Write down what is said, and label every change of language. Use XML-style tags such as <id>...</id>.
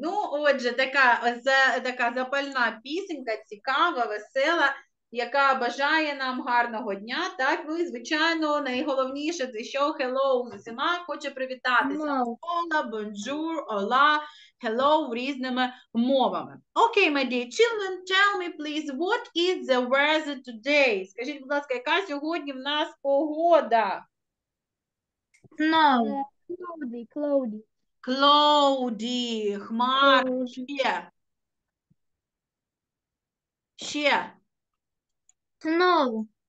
<uk>Ну, отже, така запальна пісенька, цікава, весела, яка бажає нам гарного дня. Так, ну і, звичайно, найголовніше – це що?</uk> <en>Hello!</en> <uk>З усіма хоче привітатися. Hola, bonjour, hola, hello – різними мовами. Окей,</uk> <en>my dear children, tell me, please, what is the weather today?</en> <uk>Скажіть, будь ласка, яка сьогодні в нас погода?</uk> <en>Snow. Cloudy, cloudy.</en> <uk>Cloudy, хмарно. Ще.</uk> <en>Snow.</en>